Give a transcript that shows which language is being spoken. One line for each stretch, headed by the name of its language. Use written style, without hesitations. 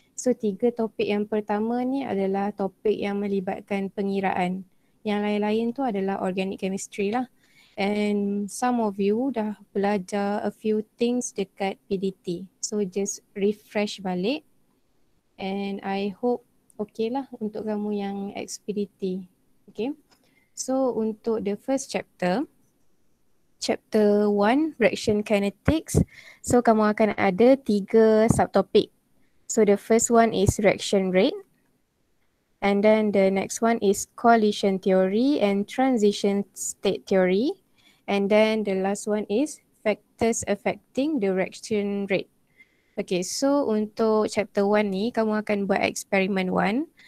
Malay: So tiga topik yang pertama ni adalah topik yang melibatkan pengiraan. Yang lain-lain tu adalah
English: organic chemistry
Malay: lah.
English: And some of you
Malay: dah belajar
English: a few things
Malay: dekat
English: PDT. So just refresh
Malay: balik.
English: And I hope okay
Malay: lah untuk kamu yang
English: ex-PDT. Okay. So
Malay: untuk
English: the first chapter, chapter 1, reaction kinetics.
Malay: So kamu akan ada tiga subtopik.
English: So the first one is reaction rate. And then the next one is collision theory and transition state theory. And then the last one is factors affecting the reaction rate.
Malay: Okay, so untuk chapter 1 ni, kamu akan buat experiment 1.